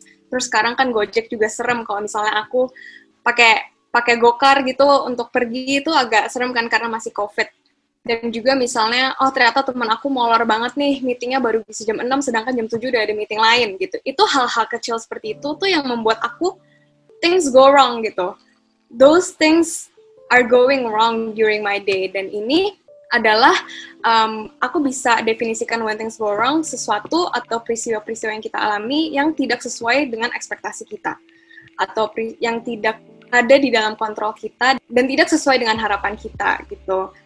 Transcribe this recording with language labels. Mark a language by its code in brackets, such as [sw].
[id] Terus sekarang kan Gojek juga serem, kalau misalnya aku pakai GoCar gitu untuk pergi itu agak serem kan, karena masih COVID. Dan juga misalnya, oh ternyata teman aku molor banget nih, meetingnya baru bisa jam 6, sedangkan jam 7 udah ada meeting lain, gitu. Itu hal-hal kecil seperti itu tuh yang membuat aku, [en] things go wrong, [id] gitu. [en] Those things are going wrong during my day. [id] Dan ini adalah, aku bisa definisikan [en] when things go wrong, [id] sesuatu atau peristiwa-peristiwa yang kita alami yang tidak sesuai dengan ekspektasi kita. Atau yang tidak ada di dalam kontrol kita, dan tidak sesuai dengan harapan kita, gitu.